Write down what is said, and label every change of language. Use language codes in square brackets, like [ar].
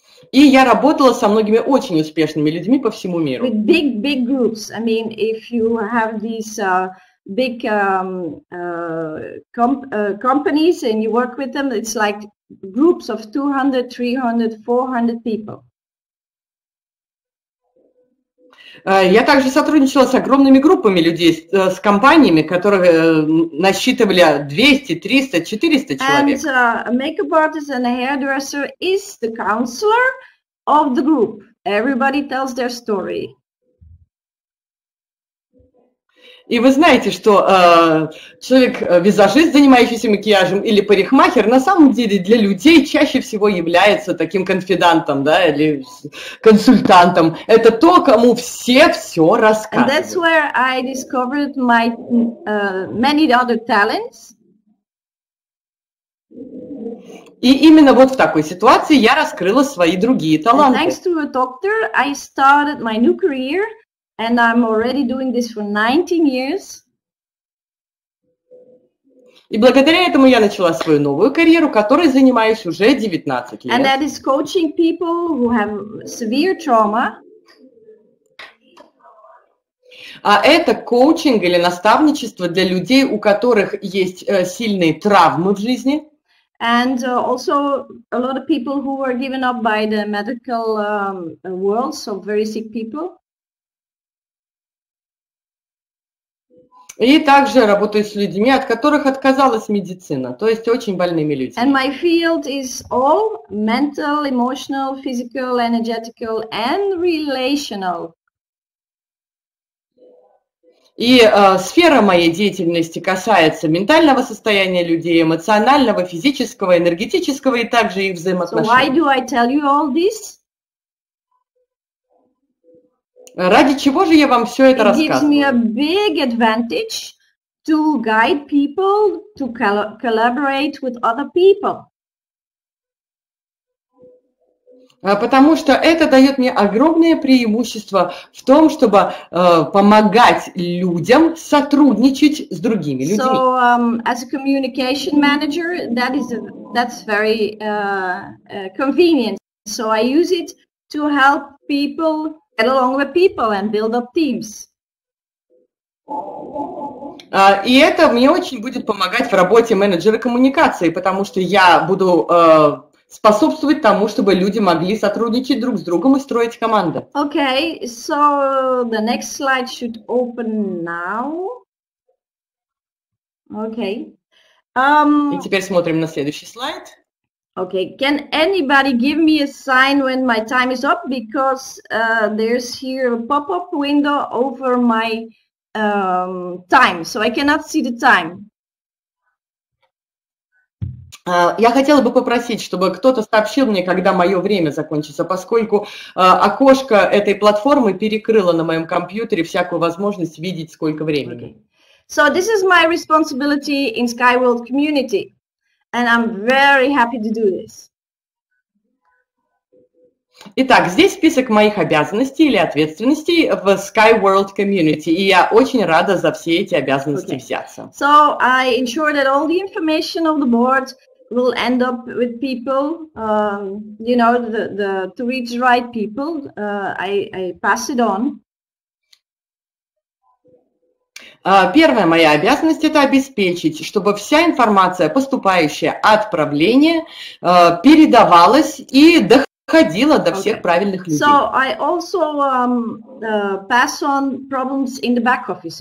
[ru] И я работала со многими очень успешными людьми по всему миру. [en] With big, big groups. I mean, if you have these... big companies and you work with them, it's like groups of 200, 300, 400 people. [ru] Я также сотрудничала с огромными группами людей, с компаниями, которые насчитывали 200, 300, 400 человек. [en] And a makeup artist and a hairdresser is the counselor of the group. Everybody tells their story. [ru] И вы знаете, что человек-визажист, занимающийся макияжем, или парикмахер, на самом деле для людей чаще всего является таким конфидантом, да, или консультантом. Это то, кому все все рассказывают. [en] And that's where I discovered my many other talents. [ru] И именно вот в такой ситуации я раскрыла свои другие таланты. [en] And thanks to a doctor, I started my new career. And I'm already doing this for 19 years. [ru] И благодаря этому я начала свою новую карьеру, которой занимаюсь уже 19 лет. [en] And that is coaching people who have severe trauma. [ru] А это коучинг или наставничество для людей, у которых есть сильные травмы в жизни. [en] And also a lot of people who were given up by the medical world, so very sick people. [ru] И также работаю с людьми, от которых отказалась медицина, то есть очень больными людьми. [en] And my field is all mental, emotional, physical, energetical and relational. [ru] И сфера моей деятельности касается ментального состояния людей, эмоционального, физического, энергетического и также их взаимоотношений. [en] So why do I tell you all this? [ru] Ради чего же я вам все это рассказываю? [en] It gives me a big advantage to guide people, to collaborate with other people. [ru] Потому что это дает мне огромное преимущество в том, чтобы помогать людям сотрудничать с другими людьми. [en] So, as a communication manager, that's very convenient. So I use it to help people. Get along with people and build up teams. [ru] И это мне очень будет помогать в работе менеджера коммуникации, потому что я буду способствовать тому, чтобы люди могли сотрудничать друг с другом и строить команды. [en] Okay, so the next slide should open now. Okay. [ru] И теперь смотрим на следующий слайд. [en] Okay, can anybody give me a sign when my time is up? Because there's here a pop-up window over my time, so I cannot see the time. [ru] Я хотела бы попросить, чтобы кто-то сообщил мне, когда мое время закончится, поскольку окошко этой платформы перекрыло на моем компьютере всякую возможность видеть, сколько времени. [en] Okay. So this is my responsibility in SkyWorld community. And I'm very happy to do this. [ru] Итак, здесь список моих обязанностей или ответственностей в SkyWorld Community, и я очень рада за все эти обязанности okay. взяться. [en] So I ensure that all the information of the board will end up with people, you know, the to reach the right people, I pass it on. [ru] Первая моя обязанность – это обеспечить, чтобы вся информация, поступающая от правления, передавалась и доходила до всех okay. правильных людей. [en] So I also pass on problems in the back office.